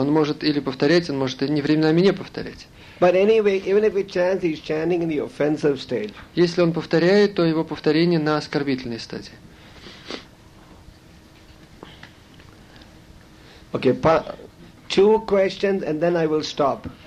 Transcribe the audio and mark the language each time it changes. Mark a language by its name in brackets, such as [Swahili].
[Russian] Он может или повторять, он может не временами не повторять. [English] But anyway, even if he chants, he's chanting in the offensive stage. [Russian] Если он повторяет, то его повторение на оскорбительной стадии. [English] Okay, two questions and then I will stop.